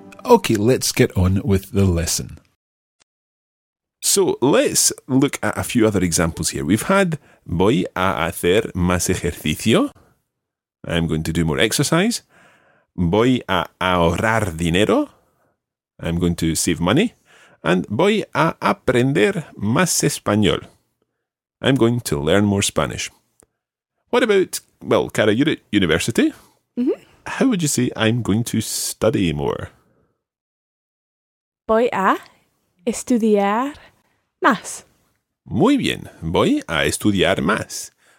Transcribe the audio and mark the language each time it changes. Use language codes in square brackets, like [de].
[en] Okay, let's get on with the lesson. So let's look at a few other examples here. We've had [es] voy a hacer más ejercicio. [en] I'm going to do more exercise. [es] Voy a ahorrar dinero. [en] I'm going to save money. [es] And voy a aprender más español. [en] I'm going to learn more Spanish. What about, well, Cara, you're at university. Mm-hmm. How would you say I'm going to study more? [es] Voy a estudiar más. Muy bien. Voy a estudiar más.